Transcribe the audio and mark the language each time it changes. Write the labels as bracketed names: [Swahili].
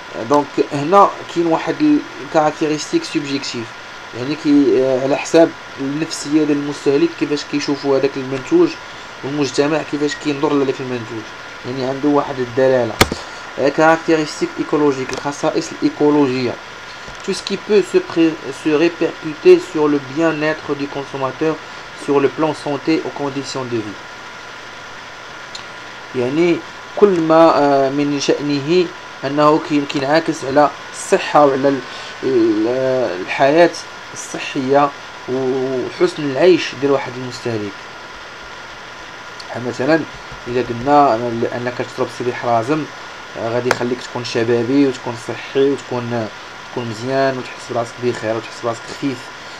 [Arabic] دونك هنا كاين واحد الكاركتيرستيك سوبجيكتيف يعني كي على حساب النفسيه ديال المستهلك كيفاش كيشوفوا هذاك المنتوج والمجتمع كيفاش كينظر لهذاك المنتوج. يعني عنده واحد الدلاله كاركتيرستيك ايكولوجيك الخصائص الايكولوجيه [French] tout ce qui peut se répercuter sur le bien-être du consommateur sur le plan santé aux conditions de vie. [Arabic] يعني كل ما من شأنه انه كينعكس على الصحه وعلى الحياه الصحيه وحسن العيش ديال واحد المستهلك. مثلا اذا قلنا انك تشرب سبيح رازم غادي يخليك تكون شبابي وتكون صحي وتكون مزيان وتحس براسك بخير وتحس براسك خفيف.